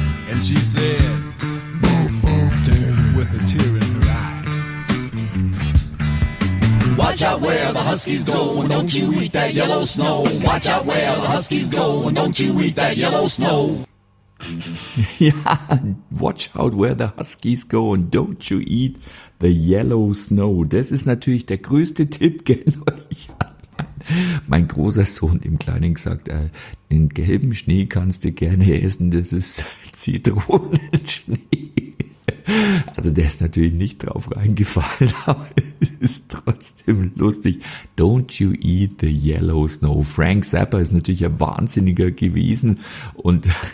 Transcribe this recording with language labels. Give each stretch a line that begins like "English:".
English: And she said, boop, boop, dear, with a tear in her eye. Watch out where the huskies go and don't you eat that yellow snow. Watch out where the huskies go and don't you eat that yellow snow. Ja, watch out where the huskies go and don't you eat the yellow snow.
German: Das ist natürlich der größte Tipp, gell? Mein großer Sohn im Kleinen gesagt, den gelben Schnee kannst du gerne essen, das ist Zitronenschnee. Also der ist natürlich nicht drauf reingefallen, aber ist trotzdem lustig.
English: Don't you eat the yellow snow.
German: Frank Zappa ist natürlich ein Wahnsinniger gewesen und...